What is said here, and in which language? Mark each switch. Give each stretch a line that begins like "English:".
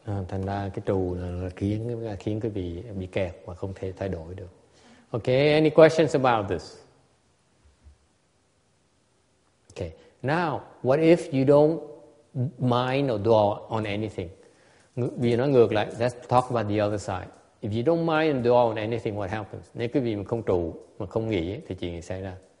Vietnamese: Thành ra cái trù là khiến quý vị bị kẹt và không thể thay đổi được.
English: Okay, any questions about this? Okay, now, what if you don't mind or dwell on anything?
Vietnamese: Vì nó ngược lại,
English: let's talk about the other side. If you don't mind and dwell on anything, what happens?
Vietnamese: Nếu quý vị mà không trù, mà không nghĩ, thì chuyện gì xảy ra?